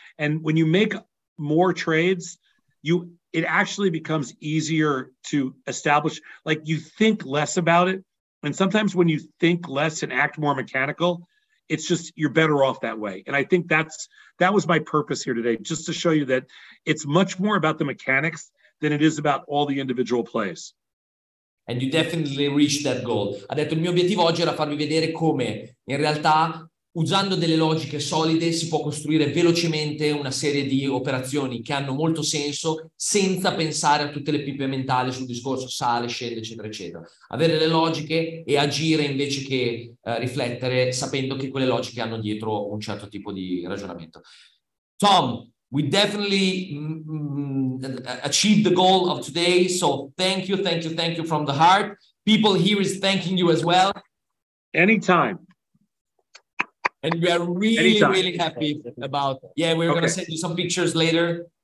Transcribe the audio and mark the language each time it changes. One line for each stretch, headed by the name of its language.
English: And when you make more trades, it actually becomes easier to establish, like you think less about it. And sometimes when you think less and act more mechanical, it's just, you're better off that way. And I think that was my purpose here today, just to show you that it's much more about the mechanics than it is about all the individual plays. And you definitely reached that goal.
Italian: Ha detto, il mio obiettivo oggi era farvi vedere come in realtà, usando delle logiche solide, si può costruire velocemente una serie di operazioni che hanno molto senso senza pensare a tutte le pippe mentali sul discorso sale, scende, eccetera, eccetera. Avere le logiche e agire invece che riflettere, sapendo che quelle logiche hanno dietro un certo tipo di ragionamento.
English: Tom, we definitely achieved the goal of today, so thank you from the heart. People here is thanking you as well. Anytime. And we are really, really happy about it. Yeah, we're going to send you some pictures later.